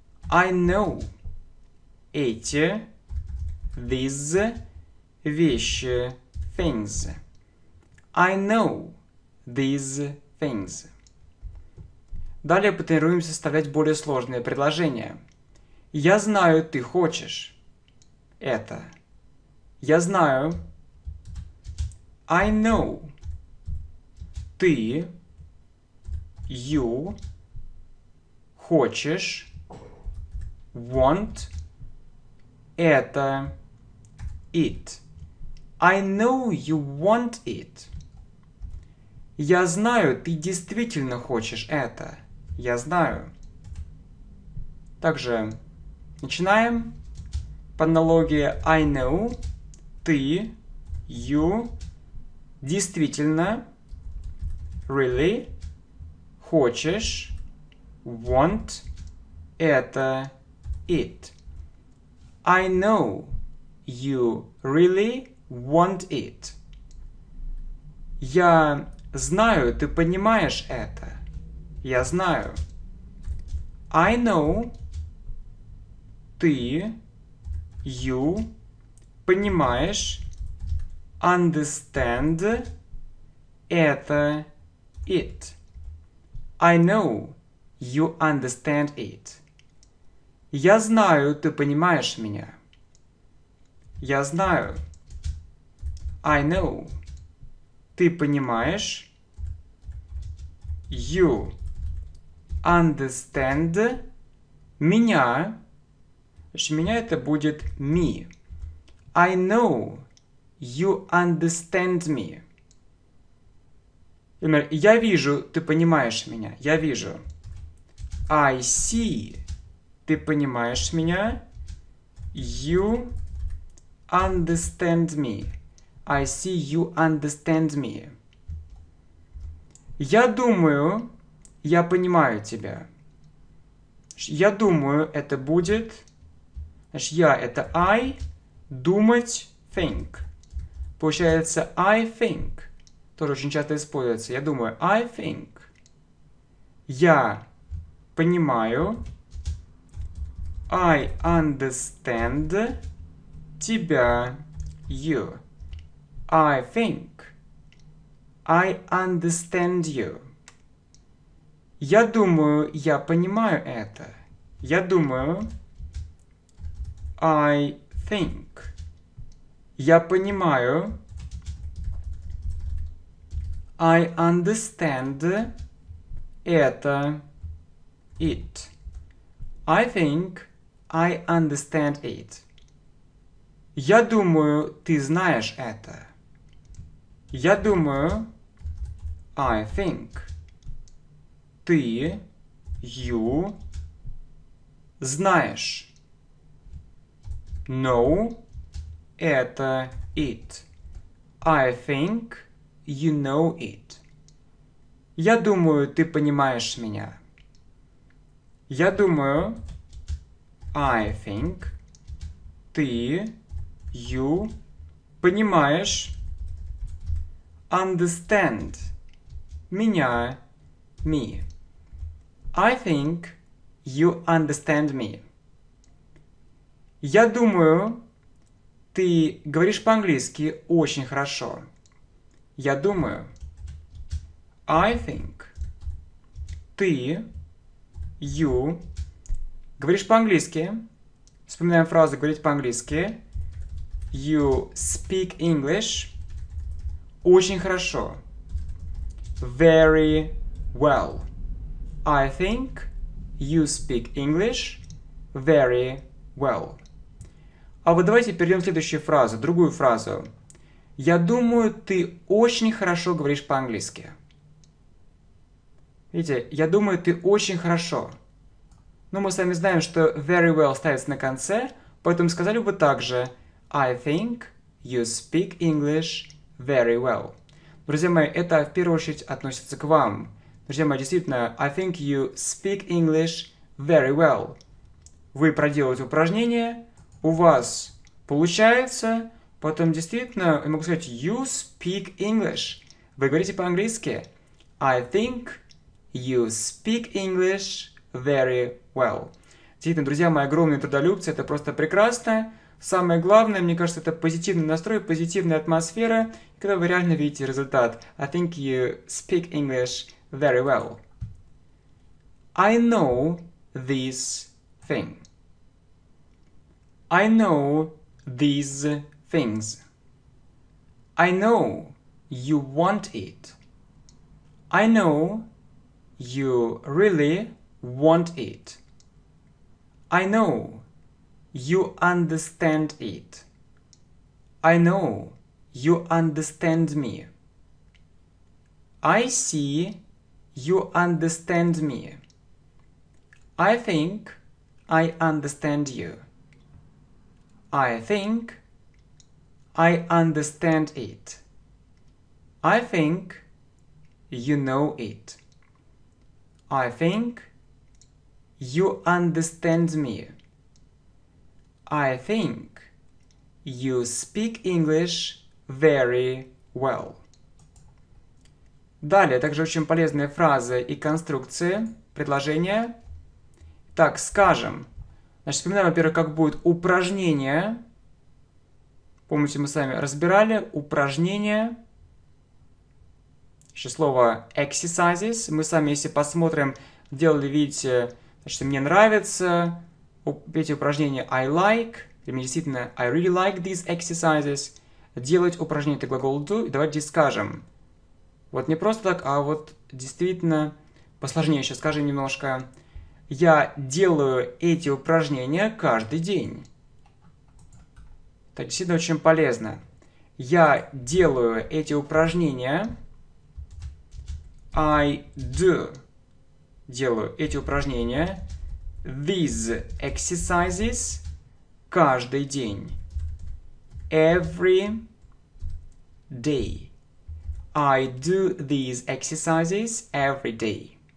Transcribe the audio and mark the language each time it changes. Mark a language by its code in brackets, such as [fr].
[en] I know [ru] эти, [en] these, [ru] вещи, [en] things. I know these things. [ru] Далее потренируемся составлять более сложные предложения. Я знаю, ты хочешь это. Я знаю. [en] I know. [ru] Ты. [en] You. [ru] Хочешь. [en] Want [ru] это [en] it. I know you want it. [ru] Я знаю, ты действительно хочешь это. Я знаю. Также начинаем по аналогии [en] I know, [ru] ты, [en] you, [ru] действительно, [en] really, [ru] хочешь, [en] want [ru] это. [en] It. I know you really want it. [ru] Я знаю, ты понимаешь это. Я знаю. [en] I know [ru] ты, [en] you, [ru] понимаешь, [en] understand [ru] это, [en] it. I know you understand it. [ru] Я знаю, ты понимаешь меня. Я знаю. [en] I know. [ru] Ты понимаешь. [en] You understand [ru] меня. Значит, меня это будет [en] me. I know you understand me. [ru] Например, я вижу, ты понимаешь меня. Я вижу. [en] I see. [ru] Ты понимаешь меня? [en] You understand me. I see you understand me. [ru] Я думаю, я понимаю тебя. Я думаю, это будет... Значит, я это [en] I, [ru] думать, [en] think. [ru] Получается, [en] I think. [ru] Тоже очень часто используется. Я думаю, [en] I think. [ru] Я понимаю. [en] I understand [ru] тебя, [en] you. I think I understand you. [ru] Я думаю, я понимаю это. Я думаю, [en] I think. [ru] Я понимаю. [en] I understand [ru] это [en] it. I think. I understand it. [ru] Я думаю, ты знаешь это. Я думаю, [en] I think. [ru] Ты, [en] you, [ru] знаешь. [en] No, [ru] это [en] it. I think you know it. [ru] Я думаю, ты понимаешь меня. Я думаю, [en] I think, [ru] ты, [en] you, [ru] понимаешь, [en] understand, [ru] меня, [en] me. I think you understand me. [ru] Я думаю, ты говоришь по-английски очень хорошо. Я думаю, [en] I think, [ru] ты, [en] you, [ru] говоришь по-английски. Вспоминаем фразу «говорить по-английски». [en] You speak English [ru] очень хорошо. [en] Very well. I think you speak English very well. [ru] А вот давайте перейдем к следующей фразе, другую фразу. Я думаю, ты очень хорошо говоришь по-английски. Видите, я думаю, ты очень хорошо. Но мы с вами знаем, что [en] very well [ru] ставится на конце, поэтому сказали бы так же. [en] I think you speak English very well. [ru] Друзья мои, это в первую очередь относится к вам. Друзья мои, действительно, [en] I think you speak English very well. [ru] Вы проделываете упражнение, у вас получается, потом действительно, я могу сказать, [en] you speak English. [ru] Вы говорите по-английски. [en] I think you speak English very well. [ru] Действительно, друзья мои, огромные трудолюбцы, это просто прекрасно. Самое главное, мне кажется, это позитивный настрой, позитивная атмосфера, когда вы реально видите результат. [en] I think you speak English very well. I know this thing. I know these things. I know you want it. I know you really want it. I know you understand it. I know you understand me. I see you understand me. I think I understand you. I think I understand it. I think you know it. I think you understand me. I think you speak English very well. [ru] Далее, также очень полезные фразы и конструкции, предложения. Так, скажем. Значит, вспоминаем, во-первых, как будет упражнение. Помните, мы с вами разбирали упражнение. Еще слово exercises. Мы с вами, если посмотрим, делали, видите, значит, мне нравится. Эти упражнения [en] I like. [ru] Или мне действительно [en] I really like these exercises. [ru] Делать упражнение — это глагол do. И давайте здесь скажем. Вот не просто так, а вот действительно посложнее сейчас скажем немножко. Я делаю эти упражнения каждый день. Так, действительно очень полезно. Я делаю эти упражнения. [en] I do. [ru] Делаю эти упражнения. [en] These exercises [ru] каждый день. [en] Every day. I do these exercises every day.